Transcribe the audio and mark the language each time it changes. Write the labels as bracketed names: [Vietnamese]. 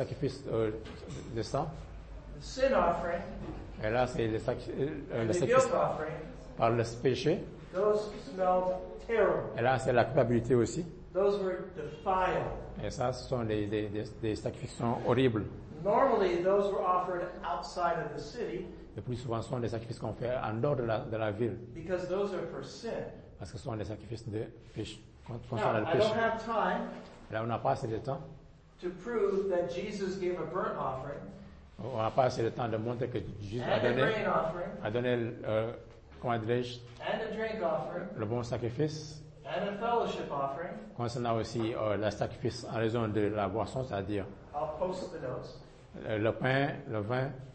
[French] le sacrifice de sang. [English] The sin offering, [French] et là, c'est le sacrifice [English] the guilt offering, [French] par le péché. [English] Those smelled terrible. [French] Et là, c'est la culpabilité aussi. [English] Those were defiled. [French] Et ça, ce sont des sacrifices qui sont horribles. [English] Normally, those were offered outside of the city. [French] Le plus souvent, ce sont des sacrifices qu'on fait en dehors de la ville. [English] Because those are for sin. [French] Parce que ce sont des sacrifices de péché. Concernant le péché. [English] I don't have time. [French] Et là, on n'a pas assez de temps. [English] To prove that Jesus gave a burnt offering. [French] On n'a pas assez de temps de montrer que Jésus a donné comment dirais-je? [English] And a drink offering. [French] Le bon sacrifice. [English] And a fellowship offering. [French] Concernant aussi le sacrifice en raison de la boisson, c'est-à-dire. [English] I'll post the notes. [French] Le pain, le vin.